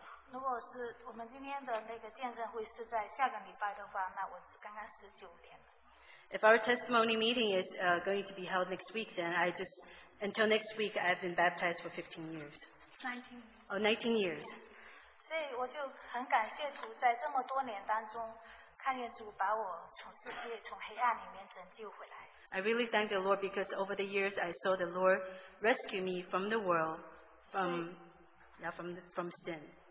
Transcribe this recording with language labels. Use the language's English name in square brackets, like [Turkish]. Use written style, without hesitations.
[Chinese] 如果是我们今天的那个见证会是在下个礼拜的话，那我刚刚19天。 [English] If our testimony meeting is going to be held next week, then I just until next week I've been baptized for 15 years. 19 years. [Chinese] 所以我就很感谢主，在这么多年当中，看见主把我从世界、从黑暗里面拯救回来。 [English] I really thank the Lord because over the years I saw the Lord rescue me from the world, from sin.